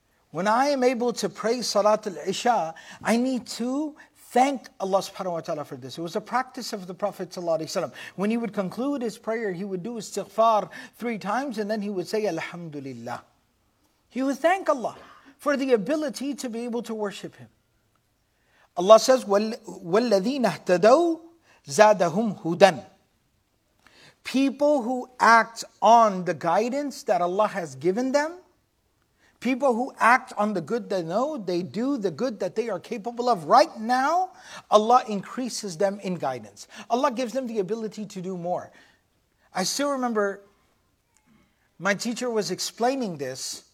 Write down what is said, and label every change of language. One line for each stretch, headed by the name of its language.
English: When I am able to pray Salatul Isha, I need to thank Allah subhanahu wa ta'ala for this. It was a practice of the Prophet sallallahu alaihi wasallam. When he would conclude his prayer, he would do istighfar three times, and then he would say, Alhamdulillah. He would thank Allah for the ability to be able to worship Him.
Arabic: Allah says, وَالَّذِينَ اهْتَدَوْا زَادَهُمْ هُدًى.
English: People who act on the guidance that Allah has given them, people who act on the good they know, they do the good that they are capable of right now, Allah increases them in guidance. Allah gives them the ability to do more. I still remember my teacher was explaining this.